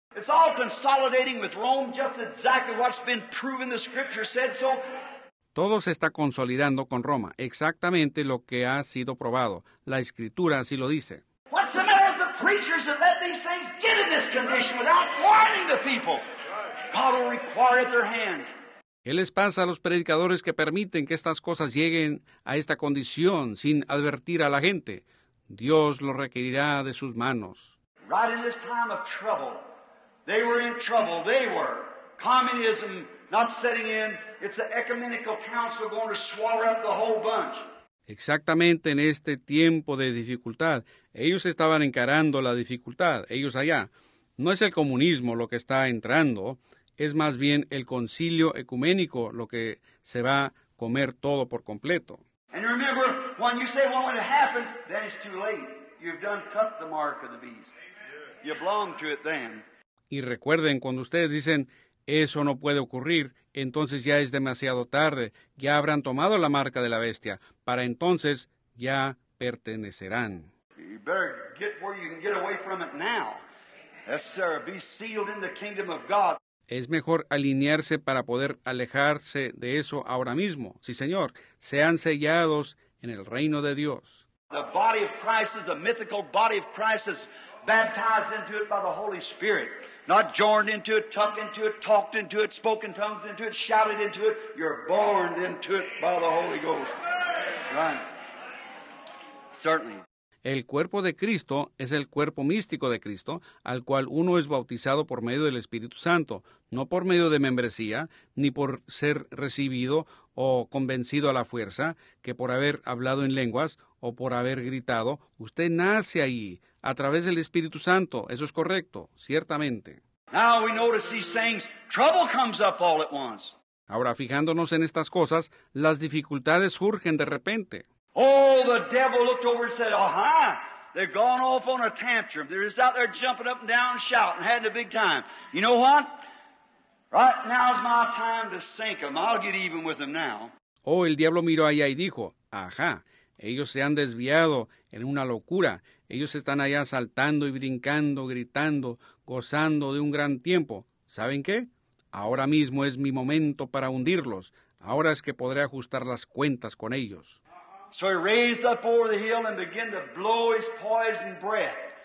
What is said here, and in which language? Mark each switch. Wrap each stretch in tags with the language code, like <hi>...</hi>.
<en>It's all consolidating with Rome, just exactly what's been proven the scripture said so.</en> <es>Todo se está consolidando con Roma, exactamente lo que ha sido probado. La Escritura así lo dice.</es> <en>What's the matter with the preachers that let these things get in this condition without warning the people? God will require at their hands.</en> <es>¿Qué les pasa a los predicadores que permiten que estas cosas lleguen a esta condición sin advertir a la gente? Dios lo requerirá de sus manos.</es> <en>Right in this time of trouble, they were in trouble, they were. Communism not setting in, it's the ecumenical council going to swallow up the whole bunch.</en> <es>Exactamente en este tiempo de dificultad, ellos estaban encarando la dificultad, ellos allá. No es el comunismo lo que está entrando, es más bien el concilio ecuménico lo que se va a comer todo por completo.</es> <en>And remember, when you say, well, when it happens, then it's too late. You've done cut the mark of the beast. You belong to it then.</en> <es>Y recuerden, cuando ustedes dicen, eso no puede ocurrir, entonces ya es demasiado tarde. Ya habrán tomado la marca de la bestia. Para entonces, ya pertenecerán.</es> <en>You better get where you can get away from it now. Yes, sir, be sealed in the kingdom of God.</en> <es>Es mejor alinearse para poder alejarse de eso ahora mismo. Sí, señor, sean sellados en el reino de Dios.</es> <en>The body of Christ is a mythical body of Christ is baptized into it by the Holy Spirit. Not joined into it, tucked into it, talked into it, spoken tongues into it, shouted into it. You're born into it by the Holy Ghost. Right. Certainly.</en> <es>El cuerpo de Cristo es el cuerpo místico de Cristo, al cual uno es bautizado por medio del Espíritu Santo, no por medio de membresía, ni por ser recibido o convencido a la fuerza, que por haber hablado en lenguas o por haber gritado. Usted nace ahí, a través del Espíritu Santo. Eso es correcto, ciertamente.</es> <en>Now we notice these things. Trouble comes up all at once.</en> <es>Ahora, fijándonos en estas cosas, las dificultades surgen de repente.</es> <en>Oh, the devil looked over and said, aha, they've gone off on a tantrum. They're just out there jumping up and down and shouting, having a big time. You know what? Right now's my time to sink them. I'll get even with them now.</en> <es>Oh, el diablo miró allá y dijo, aha, ellos se han desviado en una locura. Ellos están allá saltando y brincando, gritando, gozando de un gran tiempo. ¿Saben qué? Ahora mismo es mi momento para hundirlos. Ahora es que podré ajustar las cuentas con ellos.</es> <en>So he raised up over the hill and began to blow his poison breath.</en>